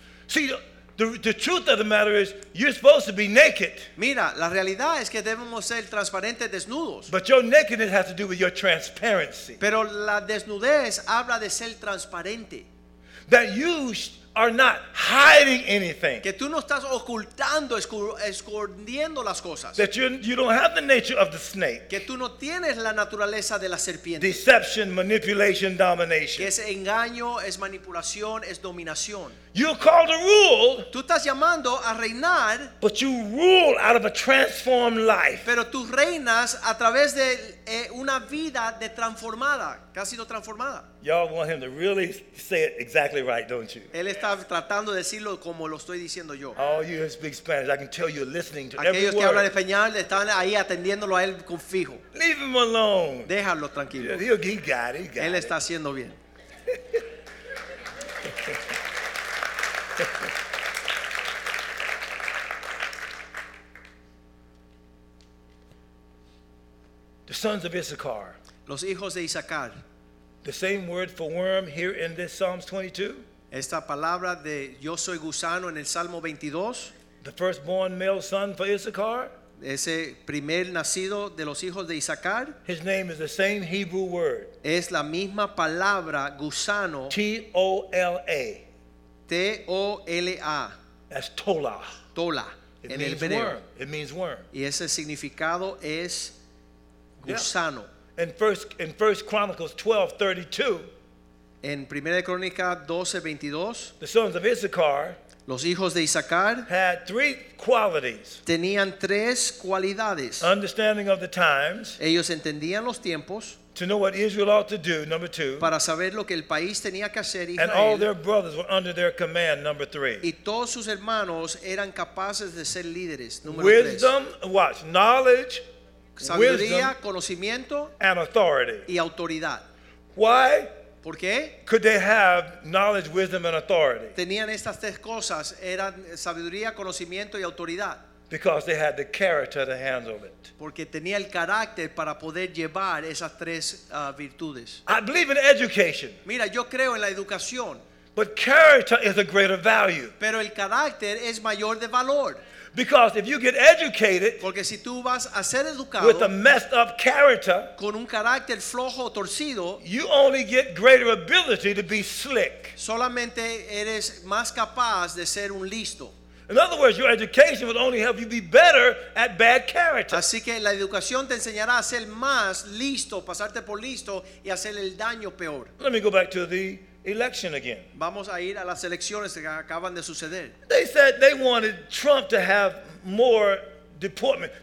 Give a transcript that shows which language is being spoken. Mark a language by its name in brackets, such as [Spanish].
[English] See, the truth of the matter is, you're supposed to be naked. [Spanish] Mira, la realidad es que debemos ser transparentes desnudos. [English] But your nakedness has to do with your transparency. [Spanish] Pero la desnudez habla de ser transparente. [English] That you are not hiding anything. [Spanish] Que tú no estás ocultando, escondiendo las cosas. [English] That you don't have the nature of the snake. [Spanish] Que tú no tienes la naturaleza de la serpiente. [English] Deception, manipulation, domination. [Spanish] Que es engaño, es manipulación, es dominación. [English] You're called to rule. [Spanish] Tú estás llamando a reinar. [English] But you rule out of a transformed life. [Spanish] Pero tú reinas a través de una vida de transformada, que ha sido transformada. [English] Y'all want him to really say it exactly right, don't you? [Spanish] Él está tratando de decirlo como lo estoy diciendo yo. [English] All you who speak Spanish, I can tell you're listening to [Spanish] aquellos [English] every word. [Spanish] Que hablan español están ahí atendiéndolo a él con fijo. [English] Leave him alone. [Spanish] Déjalo tranquilo. [English] Yeah, he got it. [Spanish] Él está haciendo bien. [English] The sons of Issachar. [Spanish] Los hijos de Issachar. [English] The same word for worm here in this Psalms 22. [Spanish] Esta palabra de yo soy gusano en el Salmo 22. [English] The firstborn male son for Issachar. [Spanish] Ese primer nacido de los hijos de Issachar. [English] His name is the same Hebrew word. [Spanish] Es la misma palabra gusano. [English] T-O-L-A. [Spanish] T-O-L-A. [English] That's Tola. [Spanish] Tola. [English] It means worm. It means worm. [Spanish] Y ese significado es gusano. [English] Yeah. In First Chronicles 12:32. [Spanish] En Primera de Crónica 12:22. [English] The sons of Issachar. [Spanish] Los hijos de Issachar. [English] Had three qualities. [Spanish] Tenían tres cualidades. [English] Understanding of the times. [Spanish] Ellos entendían los tiempos. [English] To know what Israel ought to do, number two. [Spanish] Para saber lo que el país tenía que hacer, Israel. [English] And all their brothers were under their command, number three. [Spanish] Y todos sus hermanos eran capaces de ser líderes, número [English] wisdom, [Spanish] tres. [English] Watch, knowledge, [Spanish] sabiduría, [English] wisdom, [Spanish] conocimiento, [English] and authority. [Spanish] Y autoridad. [English] Why? [Spanish] ¿Por qué? [English] Could they have knowledge, wisdom, and authority? [Spanish] Tenían estas tres cosas, eran sabiduría, conocimiento, y autoridad. [English] Because they had the character to handle it. [Spanish] Porque tenía el carácter para poder llevar esas tres virtudes. [English] I believe in education. [Spanish] Mira, yo creo en la educación. [English] But character is a greater value. [Spanish] Pero el carácter es mayor de valor. [English] Because if you get educated, [Spanish] porque si tú vas a ser educado, [English] with a messed up character, [Spanish] con un carácter flojo, torcido, [English] you only get greater ability to be slick. [Spanish] Solamente eres más capaz de ser un listo. [English] In other words, your education will only help you be better at bad character. [Spanish] Así que la educación te enseñará a ser más listo, pasarte por listo y hacer el daño peor. [English] Let me go back to the election again. [Spanish] Vamos a ir a las elecciones que acaban de suceder. [English] They said they wanted Trump to have more deportment.